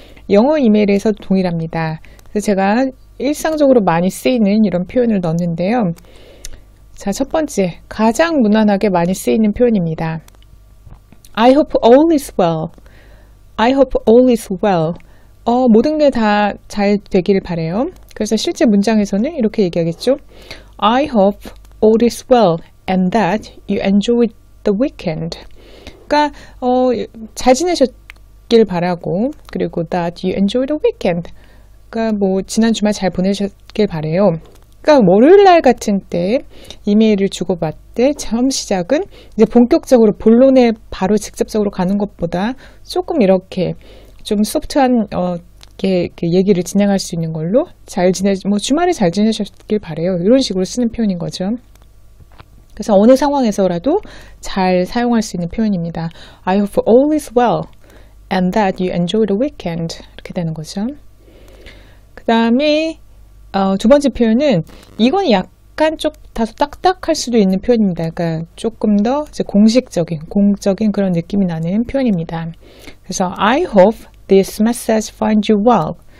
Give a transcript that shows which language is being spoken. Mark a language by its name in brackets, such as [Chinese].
[Korean] 영어 이메일에서도 동일합니다. 그래서 제가 일상적으로 많이 쓰이는 이런 표현을 넣었는데요. 자, 첫 번째, 가장 무난하게 많이 쓰이는 표현입니다. [English] I hope all is well. I hope all is well. [Korean] 모든 게다잘 되길 바래요. 그래서 실제 문장에서는 이렇게 얘기하겠죠. [English] I hope all is well and that you enjoy the weekend. [Korean] 그러니까 잘 지내셨길 바라고 그리고 [English] that you enjoy the weekend. [Korean] 그러니까 뭐 지난 주말 잘 보내셨길 바래요. 그러니까 월요일 날 같은 때 이메일을 주고받되 처음 시작은 이제 본격적으로 본론에 바로 직접적으로 가는 것보다 조금 이렇게 좀 소프트한 이렇게 얘기를 진행할 수 있는 걸로 잘 지내 뭐 주말에 잘 지내셨길 바래요. 이런 식으로 쓰는 표현인 거죠. 그래서 어느 상황에서라도 잘 사용할 수 있는 표현입니다. [English] I hope all is well and that you enjoy the weekend. [Korean] 이렇게 되는 거죠. 그다음에 두 번째 표현은 이건 약간 좀 다소 딱딱할 수도 있는 표현입니다. 그러니까 조금 더 이제 공식적인, 공적인 그런 느낌이 나는 표현입니다. 그래서 [English] I hope this message finds you well.